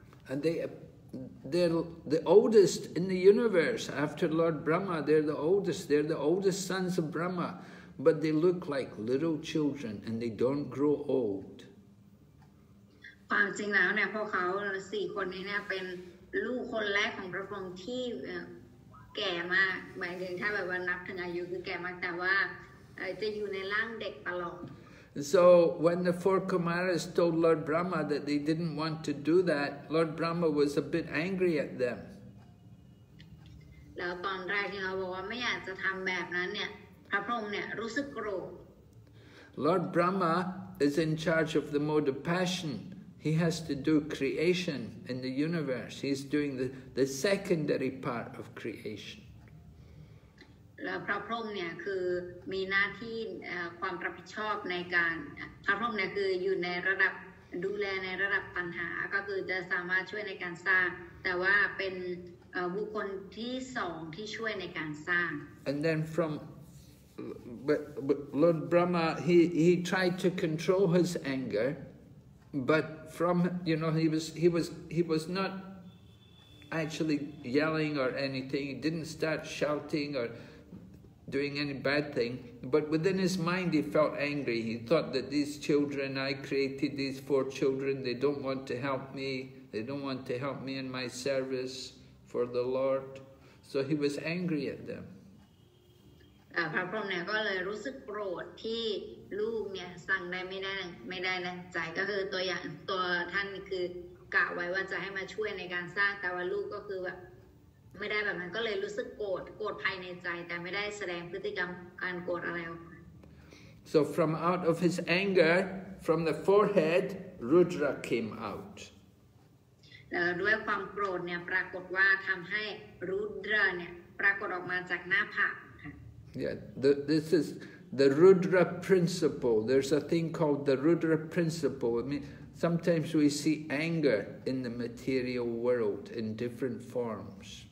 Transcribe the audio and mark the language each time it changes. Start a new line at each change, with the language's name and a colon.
English: And they're the oldest in the universe after Lord Brahma. They're the oldest sons of Brahma, but they look like little children and they don't grow old.
Thai: ความจริงแล้วเนี่ยพวกเขา4คนนี้เนี่ยเป็นลูกคนแรกของพระพรหมที่แก่มากหมายถึงถ้าแบบว่านับถึงอายุคือแก่มากแต่ว่าจะอยู่ในร่างเด็กตลอด
English: So when the four Kumaras told Lord Brahma that they didn't want to do that, Lord Brahma was a bit angry at them.
Thai: แล้วตอนแรกที่เขาบอกว่าไม่อยากจะทำแบบนั้นเนี่ยพระพรหมเนี่ยรู้สึกโกรธ
English: Lord Brahma is in charge of the mode of passion. He has to do creation in the universe. He's doing the secondary part of creation.
Thai: แล้วพระพรหมเนี่ยคือมีหน้าที่ความรับผิดชอบในการพระพรหมเนี่ยคืออยู่ในระดับดูแลในระดับปัญหาก็คือจะสามารถช่วยในการสร้างแต่ว่าเป็นบุคคลที่สองที่ช่วยในการสร้าง
English: And then from but Lord Brahma he tried to control his anger but from you know he was not actually yelling or anything he didn't start shouting orDoing any bad thing, but within his mind he felt angry. He thought that these children, I created these four children, they don't want to help me. They don't want to help me in my service for the Lord. So he was angry at them.
Thai: พระพรหมเนี่ยก็เลยรู้สึกโกรธที่ลูกเนี่ยสั่งได้ไม่ได้นะใจก็คือตัวอย่างตัวท่านคือกะไว้ว่าจะให้มาช่วยในการสร้างแต่ว่าลูกก็คือแบบไม่ได้แบบนั้นก็เลยรู้สึกโกรธภายในใจแต่ไม่ได้แสดงพฤติกรรมการโกรธอะไร
English: So from out of his anger from the forehead Rudra came out
Thai: แล้วด้วยความโกรธเนี่ยปรากฏว่าทำให้รุดระเนี่ยปรากฏออกมาจากหน้าผาก
English: Yeah this is the Rudra principle there's a thing called the Rudra principle I mean sometimes we see anger in the material world in different forms